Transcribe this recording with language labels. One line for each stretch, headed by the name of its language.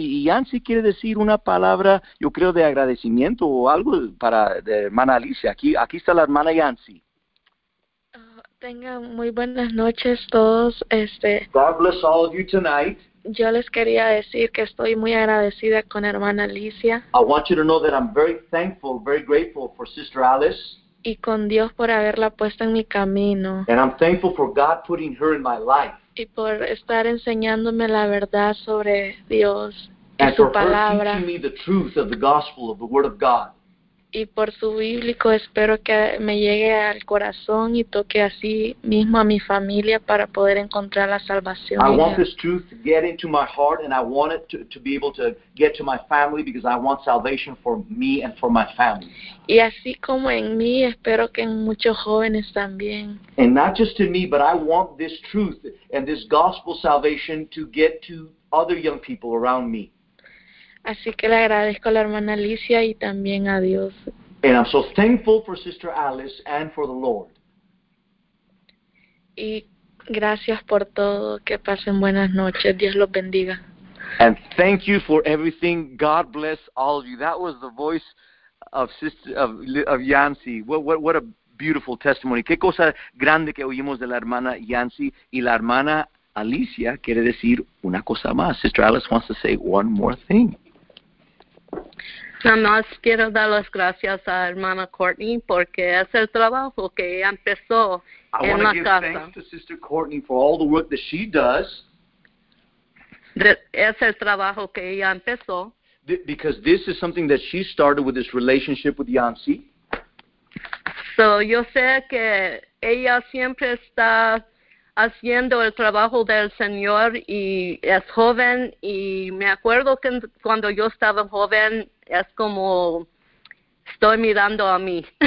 Spanish: Y Yancy quiere decir una palabra, yo creo, de agradecimiento o algo para de hermana Alicia. Aquí está la hermana Yancy. Tengan muy buenas noches todos.
English: God bless all of you tonight.
Spanish: Yo les quería decir que estoy muy agradecida con hermana Alicia.
English: I want you to know that I'm very thankful, very grateful for Sister Alice.
Spanish: Y con Dios por haberla puesto en mi camino.
English: And I'm thankful for God putting her in my life.
Spanish: Y por estar enseñándome la verdad sobre Dios y
English: and
Spanish: su palabra.
English: And for teaching me the truth of the gospel, of the word of God.
Spanish: Y por su bíblico espero que me llegue al corazón y toque así mismo a mi familia para poder encontrar la salvación.
English: I want this truth to get into my heart and I want it to be able to get to my family because I want salvation for me and for my family.
Spanish: Y así como en mí, espero que en muchos jóvenes también.
English: And not just in me, but I want this truth and this gospel salvation to get to other young people around me.
Spanish: Así que le agradezco a la hermana Alicia y también a Dios.
English: And I'm so thankful for Sister Alice and for the Lord.
Spanish: Y gracias por todo. Que pasen buenas noches. Dios los bendiga.
English: And thank you for everything. God bless all of you. That was the voice of Sister Yancy. What a beautiful testimony.
Spanish: Qué cosa grande que oímos de la hermana Yancy. Y la hermana Alicia quiere decir una cosa más.
English: Sister Alice wants to say one more thing.
Spanish: Nada más quiero dar las gracias a hermana Courtney porque es el trabajo que ella empezó
English: I
Spanish: en la
English: give
Spanish: casa.
English: Thanks to Sister Courtney for all the work that she does.
Spanish: Es el trabajo que ella empezó.
English: Because this is something that she started with this relationship with Yancy.
Spanish: So yo sé que ella siempre está haciendo el trabajo del Señor y es joven y me acuerdo que cuando yo estaba joven es como estoy mirando a mí.